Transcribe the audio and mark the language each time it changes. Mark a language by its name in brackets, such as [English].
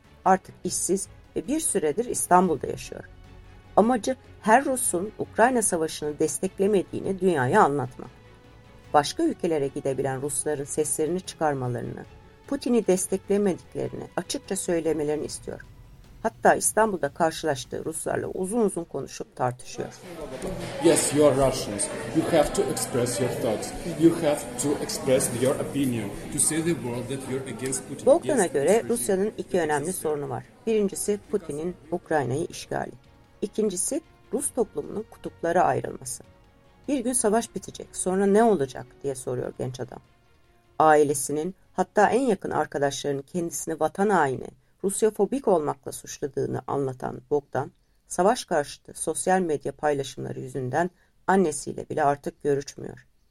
[Turkish] Artık işsiz ve bir süredir İstanbul'da yaşıyor. Amacı her Rus'un Ukrayna Savaşı'nı desteklemediğini dünyaya anlatmak. Başka ülkelere gidebilen Rusların seslerini çıkarmalarını, Putin'i desteklemediklerini açıkça söylemelerini istiyor. Hatta İstanbul'da karşılaştığı Ruslarla uzun uzun konuşup tartışıyor. [English] Yes, you are Russians. You have to express your thoughts. You have to express your opinion. To say the world that you're against Putin. [Turkish] Bogdan'a göre Rusya'nın iki önemli sorunu var. Birincisi Putin'in Ukrayna'yı işgali. İkincisi Rus toplumunun kutuplara ayrılması. Bir gün savaş bitecek, sonra ne olacak diye soruyor genç adam. Ailesinin, hatta en yakın arkadaşlarının kendisini vatan haini, Rusyafobik olmakla suçladığını anlatan Bogdan, savaş karşıtı sosyal medya paylaşımları yüzünden annesiyle bile artık görüşmüyor.